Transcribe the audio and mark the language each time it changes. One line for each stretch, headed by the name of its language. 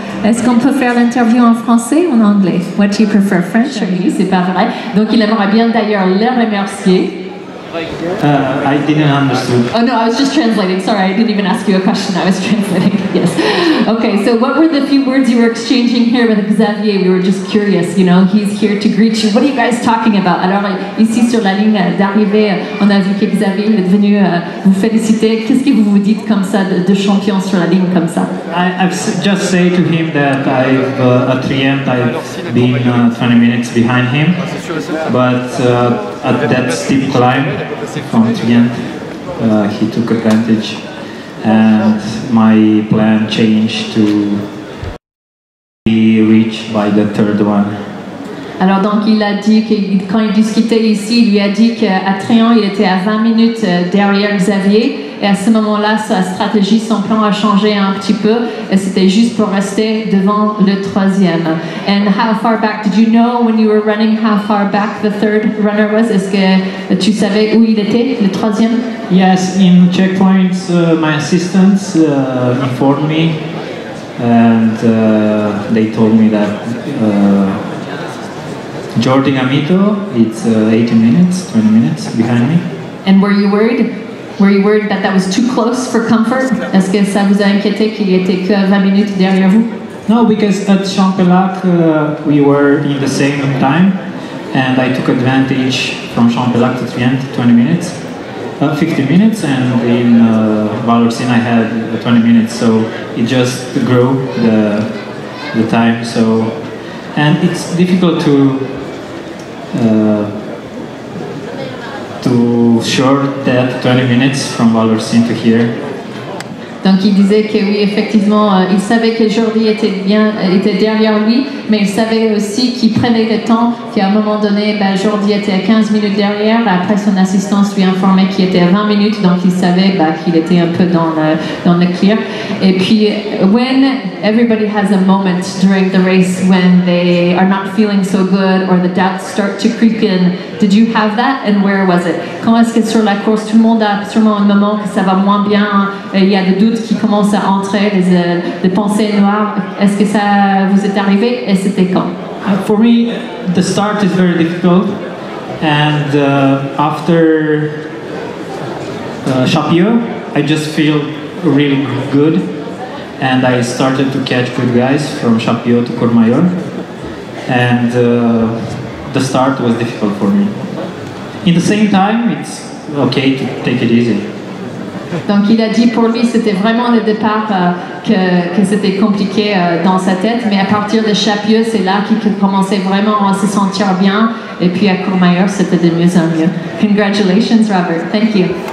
French: Est-ce qu'on peut faire l'interview en français ou en anglais?
English: What do you prefer, French or English?
French: C'est pas vrai. Donc il aimerait bien d'ailleurs le remercier.
English: I didn't understand. Oh no, I was just translating. Sorry, I didn't even ask you a question. I was translating. Yes. Okay, so what were the few words you were exchanging here with Xavier? We were just curious, you know, he's here to greet you. What are you guys talking about?
French: Alors, ici sur la ligne d'arrivée, on a vu que Xavier est venu vous féliciter. Qu'est-ce que vous vous dites comme ça, de champion sur la ligne comme ça?
English: I've just said to him that I've at the end, I've been 20 minutes behind him, but at that steep climb from the end, he took advantage and my plan changed to be reached by the third one.
French: Alors donc il a dit que quand il discutait ici, il lui a dit qu'à Trian il était à 20 minutes derrière Xavier et à ce moment-là sa stratégie, son plan a changé un petit peu et c'était juste pour rester devant le troisième.
English: And how far back did you know when you were running how far back the third runner was?
French: Est-ce que tu savais où il était, le troisième?
English: Yes, in checkpoints my assistants informed me and they told me that Jordi Amito, it's 18 minutes, 20 minutes behind me. And were you worried? Were you worried that that was too close for comfort?
French: Est-ce que ça vous a inquiété qu'il était que 20 minutes derrière vous?
English: No, because at Champelac, we were in the same time, and I took advantage from Champelac to Trient, 20 minutes, 50 minutes, and in Valorcine I had 20 minutes, so it just grew the time, so... And it's difficult to short that 20 minutes from Valorcine to here.
French: Donc il disait que oui, effectivement, il savait que Jordi était bien, était derrière lui, mais il savait aussi qu'il prenait le temps, qu'à un moment donné, ben, Jordi était à 15 minutes derrière. Après, son assistance lui informait qu'il était à 20 minutes, donc il savait ben, qu'il était un peu dans le clear. Et puis,
English: when everybody has a moment during the race when they are not feeling so good or the doubts start to creep in, did you have that and where was it?
French: Quand est-ce que sur la course, tout le monde a sûrement un moment que ça va moins bien, il y a des doutes qui commencent à entrer, des pensées noires. Est-ce que ça vous est arrivé et c'était quand?
English: For me, the start is very difficult. And after Chapio, I just feel really good. And I started to catch good guys from Chapio to Courmayeur. And the start was difficult for me. In the same time, it's okay to take it easy.
French: Donc il a dit pour lui c'était vraiment le départ que c'était compliqué dans sa tête, mais à partir de Chapieu c'est là qu'il commençait vraiment à se sentir bien, et puis à Courmayeur c'était de mieux en mieux.
English: Congratulations Robert, thank you.